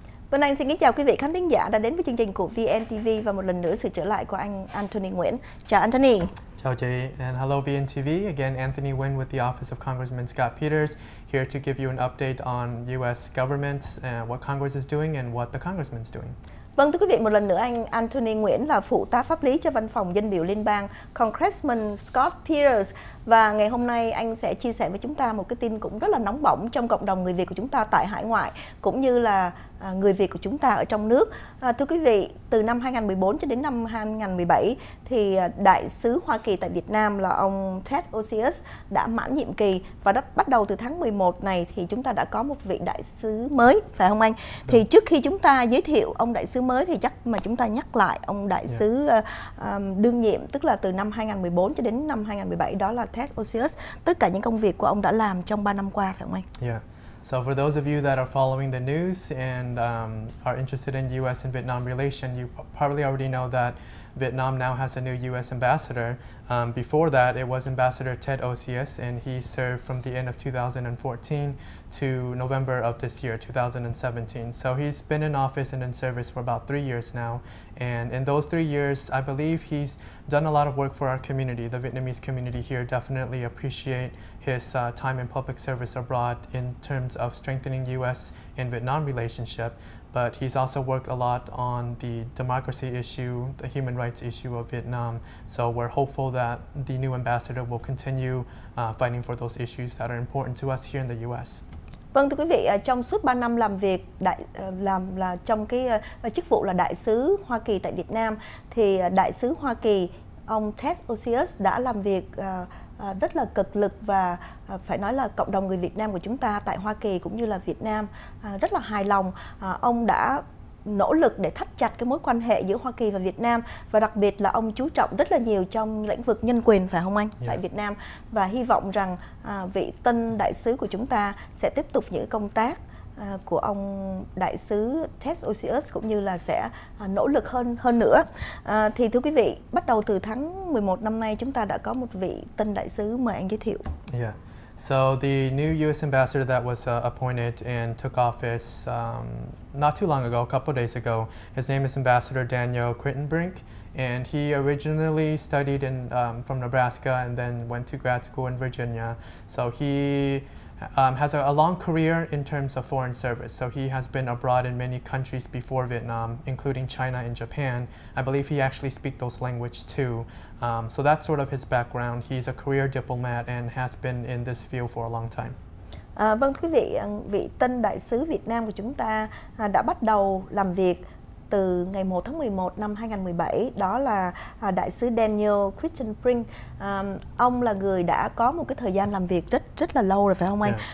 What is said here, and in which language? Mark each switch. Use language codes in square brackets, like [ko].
[vi] Vân Anh xin kính chào quý vị khán thính giả đã đến với chương trình của VNTV và một lần nữa sự trở lại của anh Anthony Nguyễn. Chào Anthony. Chào chị. [en] And hello VNTV. Again, Anthony Nguyễn with the Office of Congressman Scott Peters here to give you an update on US government, what Congress is doing and what the congressman's doing. [vi] Vâng, thưa quý vị, một lần nữa anh Anthony Nguyễn là phụ tá pháp lý cho văn phòng dân biểu liên bang Congressman Scott Peters. Và ngày hôm nay anh sẽ chia sẻ với chúng ta một cái tin cũng rất là nóng bỏng trong cộng đồng người Việt của chúng ta tại hải ngoại, cũng như là người Việt của chúng ta ở trong nước. Thưa quý vị, từ năm 2014 cho đến năm 2017, thì đại sứ Hoa Kỳ tại Việt Nam là ông Ted Osius đã mãn nhiệm kỳ. Và bắt đầu từ tháng 11 này thì chúng ta đã có một vị đại sứ mới, phải không anh? Thì trước khi chúng ta giới thiệu ông đại sứ mới thì chắc mà chúng ta nhắc lại ông đại sứ đương nhiệm, tức là từ năm 2014 cho đến năm 2017, đó là Ted Osius, tất cả những công việc của ông đã làm trong 3 năm qua, phải không anh? [en] Yeah. So for those of you that are following the news and are interested in US and Vietnam relation, you probably already know that Vietnam now has a new US ambassador. Before that, it was Ambassador Ted Osius, and he served from the end of 2014 to November of this year, 2017. So he's been in office and in service for about 3 years now. And in those 3 years, I believe he's done a lot of work for our community. The Vietnamese community here definitely appreciate his time in public service abroad in terms of strengthening US and Vietnam relationship. But he's also worked a lot on the democracy issue, the human rights issue of Vietnam. So we're hopeful that the new ambassador will continue fighting for those issues that are important to us here in the US. [vi] Vâng, thưa quý vị, trong suốt 3 năm làm việc làm trong cái chức vụ là đại sứ Hoa Kỳ tại Việt Nam, thì đại sứ Hoa Kỳ ông Ted Osius đã làm việc rất là cực lực, và phải nói là cộng đồng người Việt Nam của chúng ta tại Hoa Kỳ cũng như là Việt Nam rất là hài lòng. Ông đã nỗ lực để thắt chặt cái mối quan hệ giữa Hoa Kỳ và Việt Nam, và đặc biệt là ông chú trọng rất là nhiều trong lĩnh vực nhân quyền, phải không anh, tại Việt Nam. Và hy vọng rằng vị tân đại sứ của chúng ta sẽ tiếp tục những công tác của ông đại sứ Ted Osius, cũng như là sẽ nỗ lực hơn nữa. Thì thưa quý vị, bắt đầu từ tháng 11 năm nay chúng ta đã có một vị tân đại sứ, mời anh giới thiệu. [en] Yeah. So the new US ambassador that was appointed and took office not too long ago, a couple of days ago, his name is Ambassador Daniel Quittenbrink. And he originally studied in from Nebraska and then went to grad school in Virginia. So he has a long career in terms of foreign service. So he has been abroad in many countries before Vietnam, including China and Japan. I believe he actually speaks those languages too. So that's sort of his background. He's a career diplomat and has been in this field for a long time. [vi] Vâng, thưa quý vị, vị tân đại sứ Việt Nam của chúng ta đã bắt đầu làm việc từ ngày 1 tháng 11 năm 2017, đó là đại sứ Daniel Quittenbrink. Ông là người đã có một cái thời gian làm việc rất là lâu rồi, phải không anh? [en] Yeah.